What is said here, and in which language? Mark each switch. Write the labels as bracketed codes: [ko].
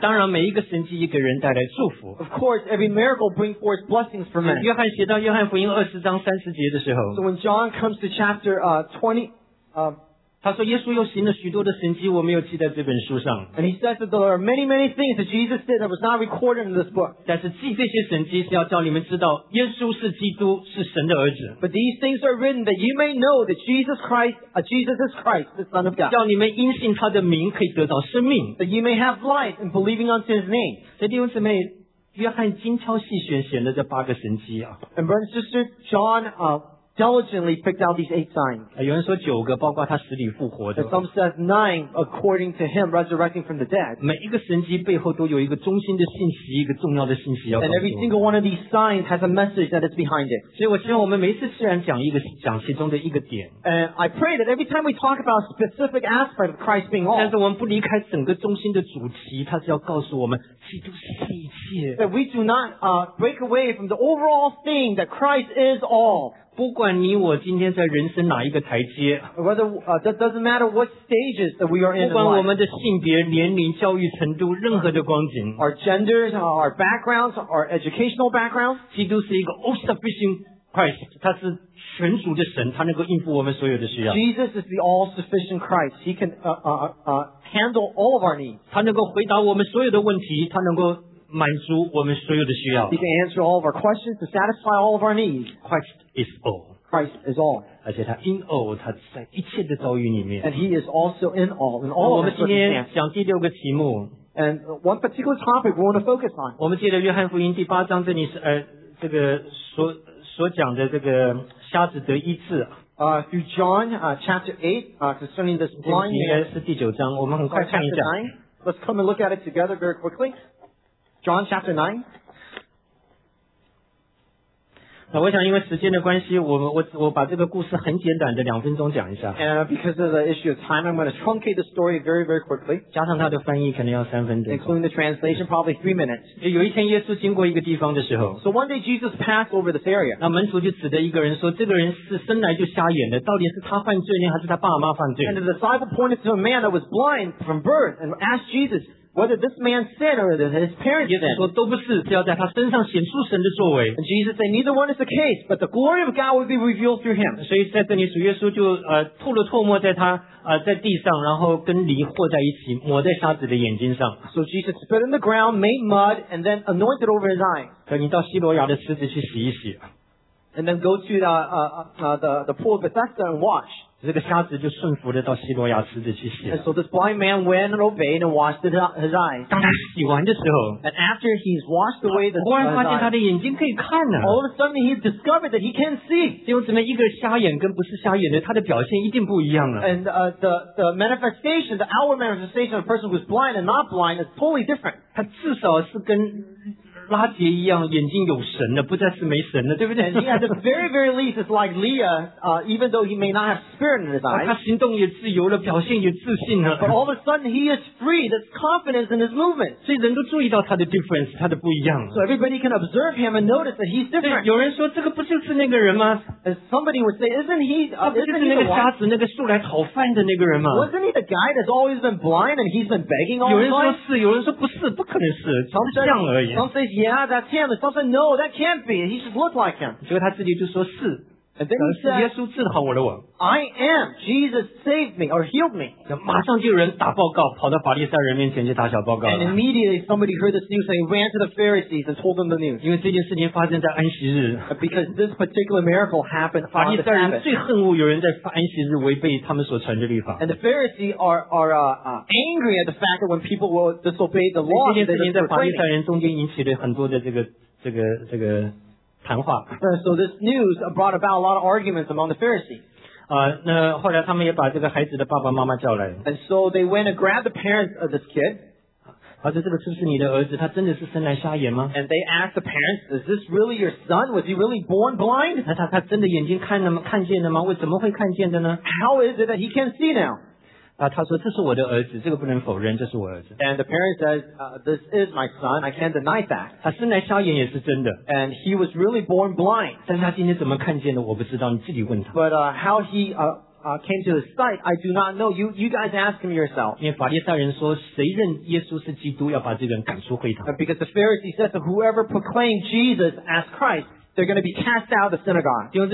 [zh] 当然每一个神迹也给人带来祝福 [en] Of course, every miracle brings forth blessings for men. [zh] 约翰写到约翰福音二十章三十节的时候 [en] So when John comes to chapter 20 [zh] 他说耶稣又行了许多的神迹我没有记在这本书上 [en] And he says that there are many many things that Jesus did that was not recorded in this book [zh] 但是记这些神迹是要叫你们知道耶稣是基督是神的儿子 [en] But these things are written that you may know that Jesus is Christ the Son of God [zh] 叫你们因信他的名可以得到生命 [en] That you may have life in believing on his name [zh] 所以弟兄姊妹约翰精挑细选选了这八个神迹、啊、 [en] And brother and sister John diligently picked out these 8 signs. [zh] 有人说九个，包括他死里复活的。 [en] Some says 9, according to him resurrecting from the dead. [zh] 每一个神迹背后都有一个中心的信息，一个重要的信息要告诉。 [en] And every single one of these signs has a message that is behind it. [zh] 所以我希望我们每次虽然讲其中的一个点。 [en] And I pray that every time we talk about a specific aspect of Christ being all. [zh] 但是我们不离开整个中心的主题，他是要告诉我们基督是一切。 [en] That we do not break away from the overall theme that Christ is all. [zh] 不管你我今天在人生哪一个台阶 [en] that doesn't matter what stages that we are in [zh] 不管我们的性别年龄教育程度任何的光景 [en] our genders our backgrounds our educational backgrounds [zh] 基督是一个 [en] all sufficient Christ [zh] 他是全主的神他能够应付我们所有的需要 [en] Jesus is the all sufficient Christ he can handle all of our needs [zh] 他能够回答我们所有的问题他能够满足我们所有的需要 [en] He can answer all of our questions to satisfy all of our needs Christ is all Christ is all [zh] 而且他 [en] in all [zh] 他在一切的遭遇里面 [en] And he is also in all in all [zh] 我们今天讲第六个题目 [en] And one particular topic we want to focus on [zh] 我们记得约翰福音第八章这里是这个所讲的这个瞎子得医治 [en] through John chapter 8 concerning this blind man [zh] 是第九章我们很快看一下 [en] Let's come and look at it together very quicklyJohn chapter 9. [zh] 我想因为时间的关系 我把这个故事很简短的两分钟讲一下 [en] And because of the issue of time, I'm going to truncate the story very, very quickly. [zh] 加上它的翻译可能要三分钟 [en] Including the translation, probably 3 minutes. [zh] 有一天耶稣经过一个地方的时候 [en] So one day Jesus passed over this area. [zh] 那门徒就指着一个人说这个人是生来就瞎眼的到底是他犯罪呢还是他爸妈犯罪 [en] And the disciple pointed to a man that was blind from birth and asked Jesus,Whether this man sinned or that his parents sinned. [zh] 说都不是只要在他身上显出神的作为 [en] And Jesus said neither one is the case but the glory of God will be revealed through him [zh] 所以在这里主耶稣就吐了唾沫在他在地上然后跟泥和在一起抹在瞎子的眼睛上 [en] So Jesus spit in the ground made mud and then anointed over his eye [zh] 可你到希罗亚的池子去洗一洗 [en] And then go to the pool of Bethesda and wash [zh] 这个瞎子就顺服的到希罗亚池子去洗。 [en] And so this blind man went and obeyed and washed his eyes. [zh] 当他洗完的时候 [en] ，And after he's washed away the [zh] 突然发现他的眼睛可以看了。 [en] All of a sudden he discovered that he can see. [zh] 因为怎么一个瞎眼跟不是瞎眼的，他的表现一定不一样了。 [en] And the manifestation, the outward manifestation of a person who's blind and not blind is totally different. [zh] 他至少是跟拉杰一样眼睛有神了不再是没神了对不对 [en] And he at the very very least is like Leah even though he may not have spirit in his eyes [zh] 他行动也自由了表现也自信了 [en] But all of a sudden he is free there's confidence in his movement [zh] 所以人都注意到他的 difference 他的不一样 [en] So everybody can observe him and notice that he's different [zh] 有人说这个不就是那个人吗 [en] And somebody would say isn't he [zh] 那个瞎子那个素来讨饭的那个人吗 [en] Wasn't he the guy that's always been blind and he's been begging all the time [zh] 有人说是有人说不是不可能是就是这样而已 [en] Some say yeah that's him someone said no that can't be he just looked like him [zh] 结果他自己就说是 [en] And then he said, I am, Jesus saved me or healed me. [zh] 马上就有人打报告，跑到法利赛人面前去打小报告。 [en] And immediately somebody heard this news and ran to the Pharisees and told them the news. [zh] 因为这件事情发生在安息日。 [en] Because this particular miracle happened on the Sabbath. [zh] 法利赛人最恨恶有人在安息日违背他们所传的律法。 [en] And the Pharisees are angry at the fact that when people will disobey the law, they're So this news brought about a lot of arguments among the Pharisees. [zh] 那后来他们也把这个孩子的爸爸妈妈叫来。 [en] And so they went and grabbed the parents of this kid. [zh] 他说这个是不是你的儿子？他真的是生来瞎眼吗？ [en] And they asked the parents, "Is this really your son? Was he really born blind?" [zh] 那他真的眼睛看见的吗？为什么会看见的呢？ [en] How is it that he can see now? [zh] 他说这是我的儿子，这个不能否认，这是我儿子。 [en] And the parent says, "This is my son. I can't deny that." [zh] 他生来瞎眼也是真的。 [en] And he was really born blind. [zh] 但是他今天怎么看见的，我不知道，你自己问他。 [en] But how he came to his sight, I do not know. You guys ask him yourself. [zh] 因为法利赛人说，谁认耶稣是基督，要把这个人赶出会堂。 [en] Because the Pharisee says that whoever proclaimed Jesus as Christ. They're going to be cast out of the synagogue.